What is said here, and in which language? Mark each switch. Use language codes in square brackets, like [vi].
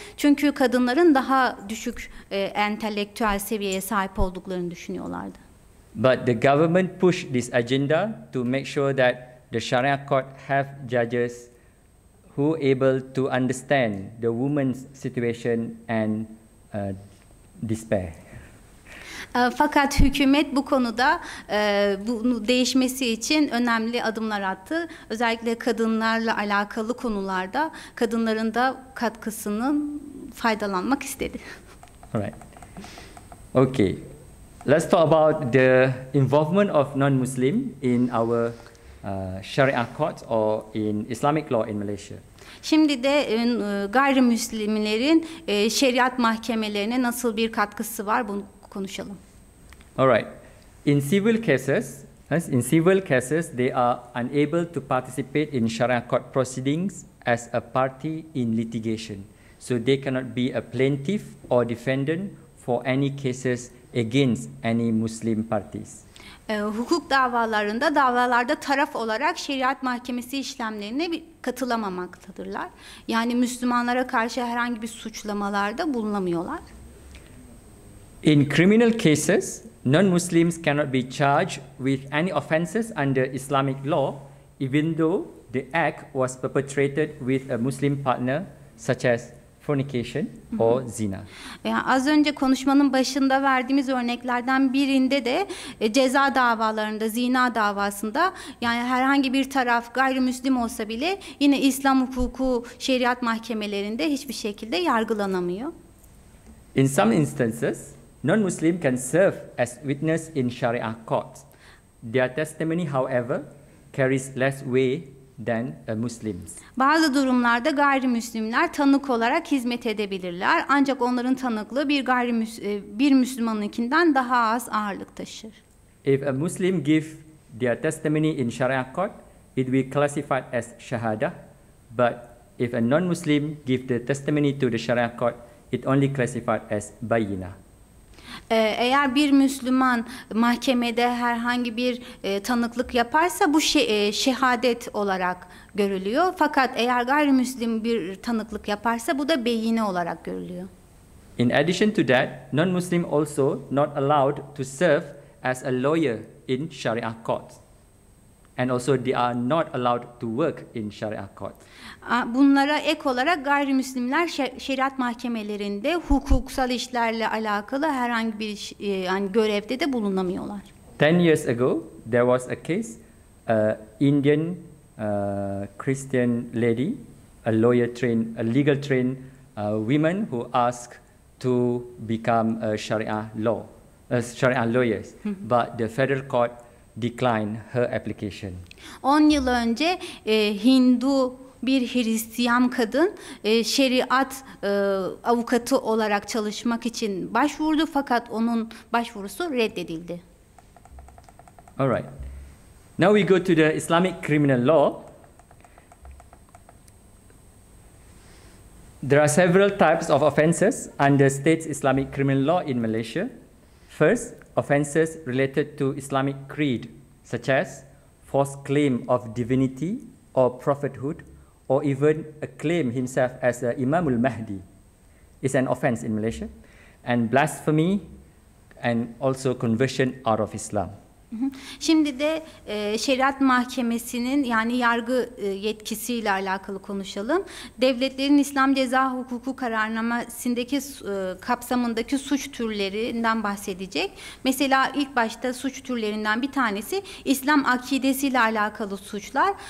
[tr] Çünkü kadınların daha düşük entelektüel seviyeye sahip olduklarını düşünüyorlardı. [en] But the government pushed this agenda to make sure that the Sharia court have judges who able to understand the woman's situation and despair. [tr] Fakat hükümet bu konuda bunu değişmesi için önemli adımlar attı. Özellikle kadınlarla alakalı konularda kadınların da katkısının faydalanmak istedi. [en] Alright. Okay. Let's talk about the involvement of non-Muslim in our Sharia court or in Islamic law in Malaysia. [tr] Şimdi de gayrimüslimlerin şeriat mahkemelerine nasıl bir katkısı var bunu konuşalım. [en] All right. In civil cases, they are unable to participate in Sharia court proceedings as a party in litigation. So they cannot be a plaintiff or defendant for any cases against any Muslim parties. [tr] Hukuk davalarında davalarda taraf olarak şeriat mahkemesi işlemlerine katılamamaktadırlar. Yani Müslümanlara karşı herhangi bir suçlamalarda bulunamıyorlar. [en] In criminal cases, non-Muslims cannot be charged with any offenses under Islamic law, even though the act was perpetrated with a Muslim partner, such as fornication or zina. [tr] Yani az önce konuşmanın başında verdiğimiz örneklerden birinde de ceza davalarında, zina davasında yani herhangi bir taraf gayrimüslim olsa bile yine İslam hukuku, şeriat mahkemelerinde hiçbir şekilde yargılanamıyor. [en] In some instances, non-Muslim can serve as witness in Sharia court. Their testimony, however, carries less weight than a Muslim's. [tr] Bazı durumlarda gayrimüslimler tanık olarak hizmet edebilirler, ancak onların tanıklığı bir Müslümanınkinden daha az ağırlık taşır. [en] If a Muslim give their testimony in Sharia court, it will be classified as shahada. But if a non-Muslim give the testimony to the Sharia court, it only classified as bayina. [tr] Eğer bir Müslüman mahkemede herhangi bir tanıklık yaparsa bu şehadet olarak görülüyor. Fakat eğer gayrimüslim bir tanıklık yaparsa bu da beyine olarak görülüyor. [en] In addition to that, non-Muslim also not allowed to serve as a lawyer in Sharia court. And also they are not allowed to work in Sharia court. [tr] Bunlara ek olarak gayrimüslimler şeriat mahkemelerinde hukuksal işlerle alakalı herhangi bir yani görevde de bulunamıyorlar. [en] 10 years ago, there was a case, Indian Christian lady, a legal trained woman who asked to become a Sharia lawyer, but the federal court declined her application. [tr] 10 yıl önce Hindu bir Hristiyan kadın şeriat avukatı olarak çalışmak için başvurdu fakat onun başvurusu reddedildi. [en] All right. Now we go to the Islamic criminal law. There are several types of offenses under state Islamic criminal law in Malaysia. First, offenses related to Islamic creed, such as false claim of divinity or prophethood, or even a claim himself as a Imamul Mahdi, is an offense in Malaysia. And blasphemy and also conversion out of Islam. [tr] Şimdi de şeriat mahkemesinin yani yargı yetkisiyle alakalı konuşalım. Devletlerin İslam ceza hukuku kararnamesindeki kapsamındaki suç türlerinden bahsedecek. Mesela ilk başta suç türlerinden bir tanesi İslam akidesiyle alakalı suçlar.